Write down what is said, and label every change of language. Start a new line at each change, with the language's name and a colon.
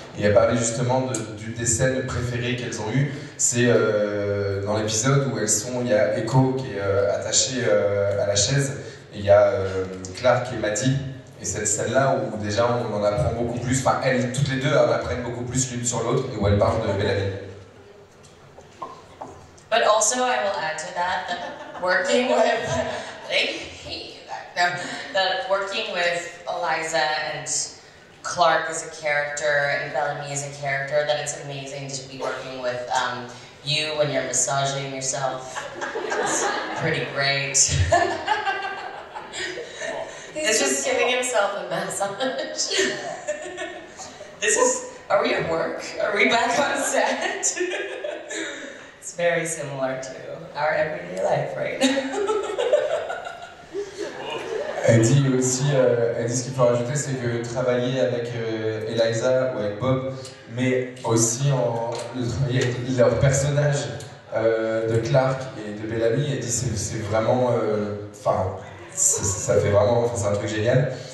French: Et elle parlait justement d'une des scènes préférées qu'elles ont eues, c'est dans l'épisode où elles sont, il y a Echo qui est attachée à la chaise, et il y a Clark et Maddie, Et cette scène-là où déjà on en apprend beaucoup plus, enfin elles, toutes les deux, en apprennent beaucoup plus l'une sur l'autre, et où elles parlent de Bellamy.
English: But also, I will add to that that working with, they hate you back. No, that working with Eliza and Clark as a character and Bellamy as a character, that it's amazing to be working with you when you're massaging yourself. It's pretty great. He's just giving himself a massage. This is, are we at work? Are we back on set? It's very similar to our everyday life right now.
French: Elle dit aussi, elle dit ce qu'il faut rajouter, c'est que travailler avec Eliza ou avec Bob, mais aussi en travailler avec leur personnage de Clark et de Bellamy, elle dit c'est vraiment, enfin, ça fait vraiment, c'est un truc génial.